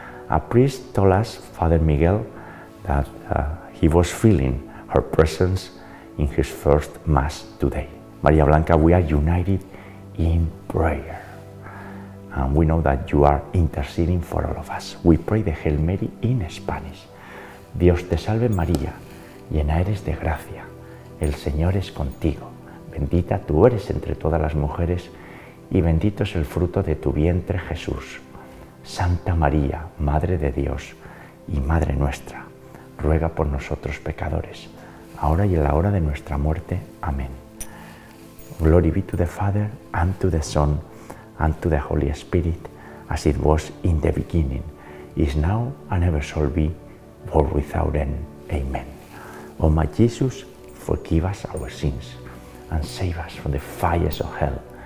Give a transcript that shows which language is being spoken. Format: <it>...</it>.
<en>A priest told us, Father Miguel, that he was feeling her presence in his first Mass today. María Blanca, we are united in prayer. And we know that you are interceding for all of us. We pray the Hail Mary in Spanish.</en> <es>Dios te salve María, llena eres de gracia, el Señor es contigo, bendita tú eres entre todas las mujeres y bendito es el fruto de tu vientre Jesús. Santa María, Madre de Dios y Madre nuestra, ruega por nosotros pecadores, ahora y en la hora de nuestra muerte. Amén.</es> <en>Glory be to the Father, and to the Son, and to the Holy Spirit, as it was in the beginning, is now and ever shall be, world without end. Amen. O my Jesus, forgive us our sins and save us from the fires of hell.</en>